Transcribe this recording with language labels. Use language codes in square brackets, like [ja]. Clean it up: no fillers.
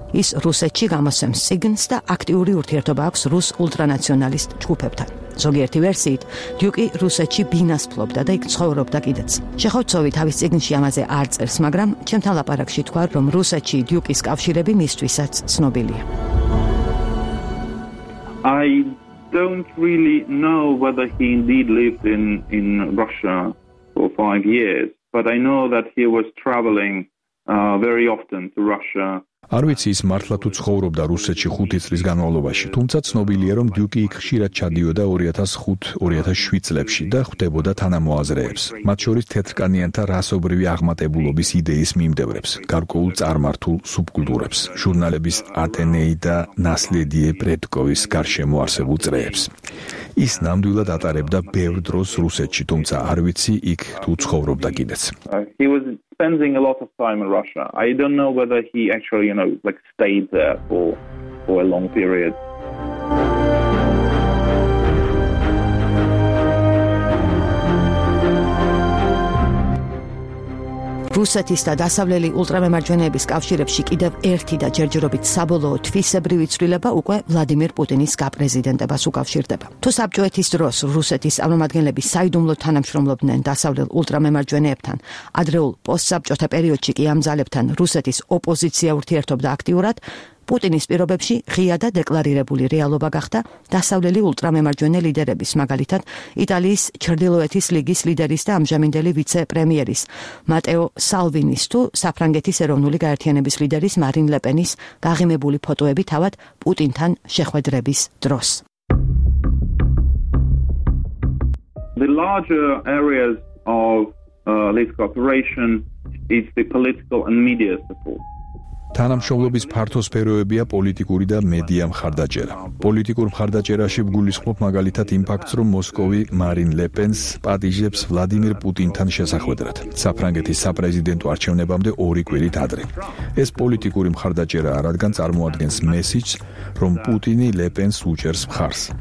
[ka] ის რუსეთში გამოსვენს სიგნს და აქტიური ურთიერთობა აქვს რუს ულტრანაციონალისტ ჯგუფებთან. ზოგიერთი ვერსიით, დიუკი რუსეთში ბინას ფლობდა და იქ ცხოვრობდა კიდეც. შეხოცოვი თავის წიგნში ამაზე არ წერს, მაგრამ ჩემთან ლაპარაკში თქვა, რომ რუსეთში დიუკის კავშირები მისთვისაც ცნობილია. [en] I don't really know whether he indeed lived in Russia for 5 years, but I know that he was traveling very often to Russia. [ka] არ ვიცი ის მართლა თუ ცხოვრობდა რუსეთში 5 წლის განმავლობაში, თუმცა ცნობილია, რომ დიუკი იქ ხშირად ჩადიოდა 2005-2007 წლებში და ხვდებოდა თანამოაზრეებს, მათ შორის თეთრკანიანთა რასობრივი აღმატებულობის იდეის მიმდევრებს, გარკვეულ წარმართულ სუბკულტურებს, ჟურნალების ატენეი და ნასლედიე პრედკოვის გარშემო არსებულ წრეებს. ის ნამდვილად ატარებდა ბევრ დროს რუსეთში, თუმცა არ ვიცი იქ თუ ცხოვრობდა კიდეც. [en] Spending a lot of time in Russia. I don't know whether he actually, you know, like stayed there for a long period. [ka] რუსეთის და დასავლელი ულტრამემარჯვენეების კავშირებში კიდევ ერთი და ჯერჯერობით საბოლოო თვისებრივი ცვლილება უკვე ვლადიმირ პუტინის გაპრეზიდენტებას უკავშირდება. თუ საბჭოეთის დროს რუსეთის წარმომადგენლები საიდუმლო თანამშრომლობდნენ დასავლელ ულტრამემარჯვენეებთან, ადრეულ პოსტსაბჭოთა პერიოდში კი ამ ძალებთან რუსეთის ოპოზიცია ურთიერთობდა აქტიურად, პუტინის პირობებში ღია და დეკლარირებული რეალობა გახდა დასავლელი ულტრამემარჯვენე ლიდერების, მაგალითად იტალიის ჩრდილოეთის ლიგის ლიდერის და ამჟამინდელი ვიცე-პრემიერის მატეო სალვინის თუ საფრანგეთის ეროვნული გაერთიანების ლიდერის მარინ ლეპენის გაღიმებული ფოტოები თავად პუტინთან შეხვედრების დროს. [en] The larger areas of this cooperation is the political and media support. [ka] თანამშრომლობის ფართო სფეროებია პოლიტიკური და მედია მხარდაჭერა. პოლიტიკურ მხარდაჭერაში გულისხმობ მაგალითად იმ ფაქტს, რომ მოსკოვი მარინ ლეპენს პატიჟებს ვლადიმირ პუტინთან შესახვედრად საფრანგეთის საპრეზიდენტო არჩევნებამდე ორი კვირით ადრე. ეს პოლიტიკური მხარდაჭერაა, რადგან წარმოადგენს მესიჯს, რომ პუტინი ლეპენს უჭერს მხარს.